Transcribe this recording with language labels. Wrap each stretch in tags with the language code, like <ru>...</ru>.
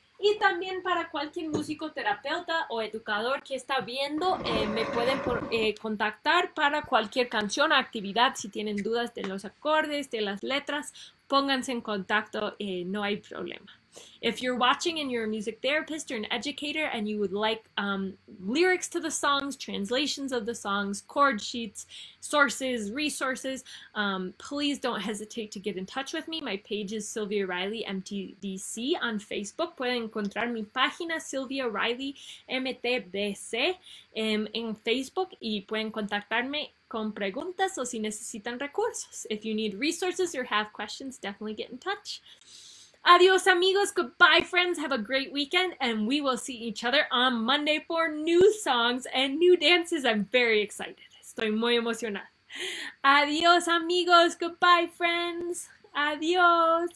<es>Y también para cualquier músico, terapeuta o educador que está viendo, me pueden contactar para cualquier canción o actividad. Si tienen dudas de los acordes, de las letras, pónganse en contacto. No hay problema.</es> <en>If you're watching and you're a music therapist or an educator and you would like lyrics to the songs, translations of the songs, chord sheets, sources, resources, please don't hesitate to get in touch with me. My page is Sylvia Riley MTDC on Facebook.</en> <es>Pueden encontrar mi página Sylvia Riley MTDC en Facebook y pueden contactarme con preguntas o si necesitan recursos.</es> <en>If you need resources or have questions, definitely get in touch.</en> <es>Adios, amigos.</es> <en>Goodbye, friends. Have a great weekend, and we will see each other on Monday for new songs and new dances. I'm very excited.</en> <es>Estoy muy emocionada. Adios, amigos.</es> <en>Goodbye, friends.</en> <es>Adios.</es>